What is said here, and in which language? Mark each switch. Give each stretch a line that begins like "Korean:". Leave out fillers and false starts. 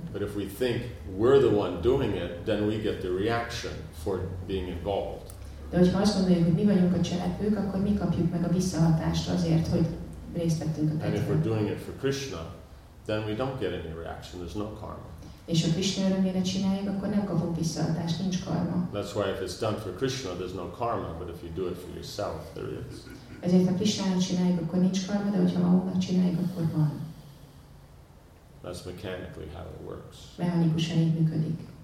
English: But if we think we're the one doing it, then we get the reaction for being involved.
Hungarian: De hogyha azt gondoljuk, hogy mi vagyunk a cselekvők, akkor mi kapjuk meg a visszahatást azért, hogy részt vettünk a tetten.
English: And if we're doing it for Krishna, then we don't get any reaction. There's no karma.
Hungarian: És ha Krishna örömére csináljuk, akkor nem kapunk visszahatást, nincs karma.
English: That's why if it's done for Krishna, there's no karma. But if you do it for yourself, there is.
Hungarian: Ezért ha Krishna csináljuk, akkor nincs karma, de hogyha magunknak csináljuk, akkor van.
English: That's mechanically how it works.
Hungarian: Mechanikusan így működik.